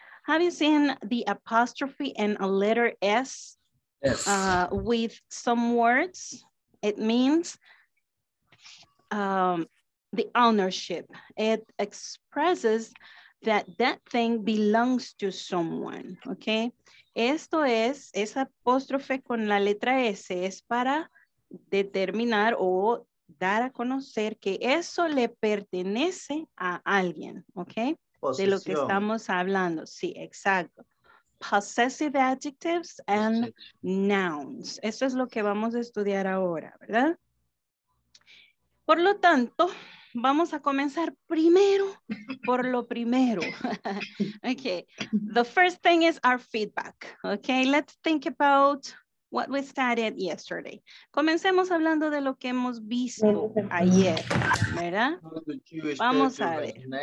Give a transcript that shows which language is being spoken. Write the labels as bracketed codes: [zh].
[en] Have you seen the apostrophe and a letter S? Yes. With some words? It means the ownership. It expresses that thing belongs to someone, okay? [es] Esto es, esa apóstrofe con la letra S es para determinar o dar a conocer que eso le pertenece a alguien, okay? Posición. De lo que estamos hablando, sí, exacto. [en] Possessive adjectives and nouns. [es] Eso es lo que vamos a estudiar ahora, ¿verdad? Por lo tanto, vamos a comenzar primero por lo primero. [en] Okay, the first thing is our feedback. Okay, let's think about what we studied yesterday. [es] Comencemos hablando de lo que hemos visto ayer, ¿verdad? Vamos a ver.